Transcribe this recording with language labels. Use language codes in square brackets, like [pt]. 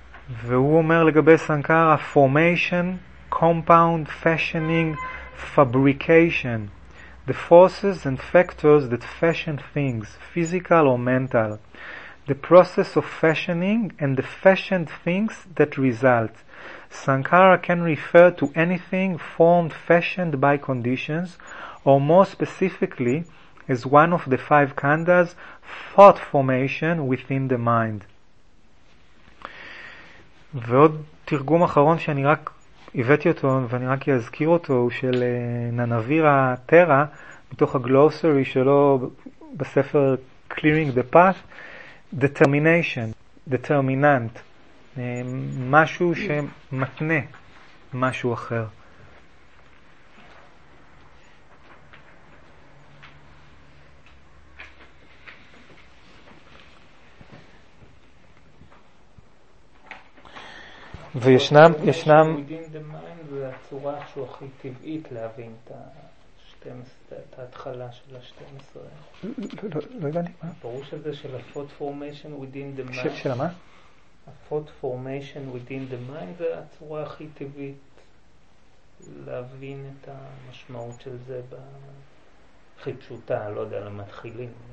[he] והוא אומר לגבי סנקרה, [en] formation, compound, fashioning, fabrication. The forces and factors that fashion things, physical or mental. The process of fashioning and the fashioned things that result. Sankara can refer to anything formed, fashioned by conditions, or more specifically, as one of the five khandas, thought formation within the mind. [he] ועוד תרגום אחרון שאני רק הבאתי אותו ואני רק אזכיר אותו, הוא של ננבירה טרה, מתוך הגלוסרי שלו בספר Clearing the Path. [en] Determination, determinant, [he] משהו שמתנה משהו אחר. וישנם, ישנם... [en] within the mind [he] זה הצורה שהוא הכי טבעית להבין את ההתחלה של ה-12. לא הבנתי. ברור שזה של ה- [en] thought formation within the mind. [he] של מה? ה- [en] thought formation within the mind [he] זה הצורה הכי טבעית להבין את המשמעות של זה הכי פשוטה, לא יודע, למתחילים.